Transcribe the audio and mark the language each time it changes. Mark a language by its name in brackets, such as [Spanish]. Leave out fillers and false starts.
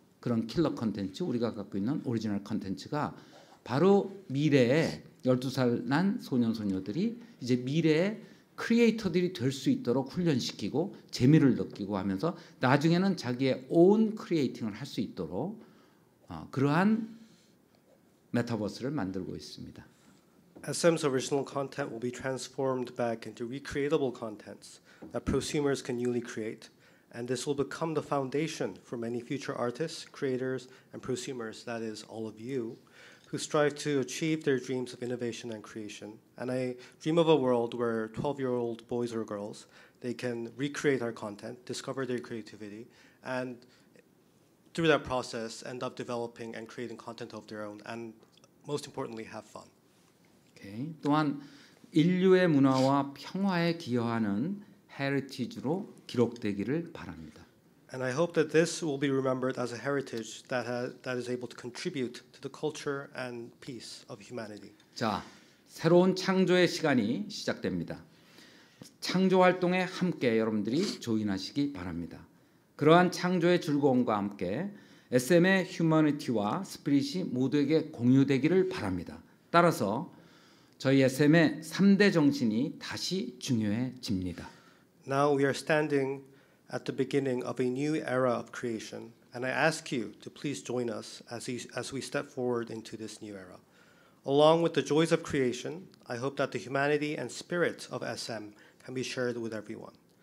[Korean] 그런 킬러 콘텐츠, 우리가 갖고 있는 오리지널 콘텐츠가 바로 미래의 12살 난 소년 소녀들이 이제 미래의 크리에이터들이 될 수 있도록 훈련시키고 재미를 느끼고 하면서 나중에는 자기의 own 크리에이팅을 할 수 있도록 그러한 메타버스를 만들고 있습니다. [English] SM's original content will be transformed back into recreatable contents that prosumers can newly create, and this will become the foundation for many future artists, creators, and prosumers. That is all of you. Who strive to achieve their dreams of innovation and creation. And I dream of a world where 12-year-old boys or girls, they can recreate our content, discover their creativity, and through that process, end up developing and creating content of their own, and most importantly, have fun. Okay. [Korean] 또한 인류의 문화와 평화에 기여하는 헤리티지로 기록되기를 바랍니다. [English] And I hope that this will be remembered as a heritage that is able to contribute to the culture and peace of humanity. [Korean] 자, 새로운 창조의 시간이 시작됩니다. 창조 활동에 함께 여러분들이 조인하시기 바랍니다. 그러한 창조의 즐거움과 함께 SM의 휴머니티와 스피릿이 모두에게 공유되기를 바랍니다. 따라서 저희 SM의 3대 정신이 다시 중요해집니다. [English] Now we are standing at the beginning of a new era of creation, and I ask you to please join us as we step forward into this new era. Along with the joys of creation, I hope that the humanity and spirit of SM can be shared with everyone.